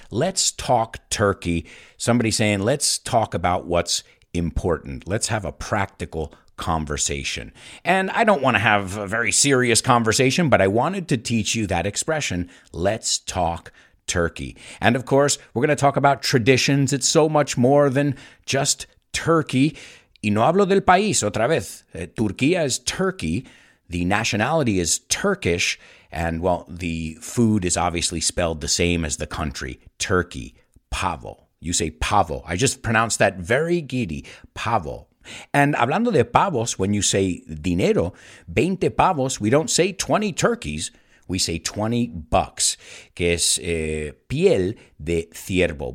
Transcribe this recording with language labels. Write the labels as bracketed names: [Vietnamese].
[English] Let's talk turkey. Somebody saying, let's talk about what's important. Let's have a practical conversation. And I don't want to have a very serious conversation, but I wanted to teach you that expression, let's talk turkey. And of course, we're going to talk about traditions. It's so much more than just turkey. [Spanish] Y no hablo del país, otra vez. [English] Turquía is Turkey. The nationality is Turkish. And well, the food is obviously spelled the same as the country, Turkey, pavo. You say pavo. I just pronounced that very giddy, pavo. And [Spanish] hablando de pavos, [English] when you say dinero, 20 pavos, we don't say 20 turkeys, we say 20 bucks, [Spanish] que es piel de ciervo.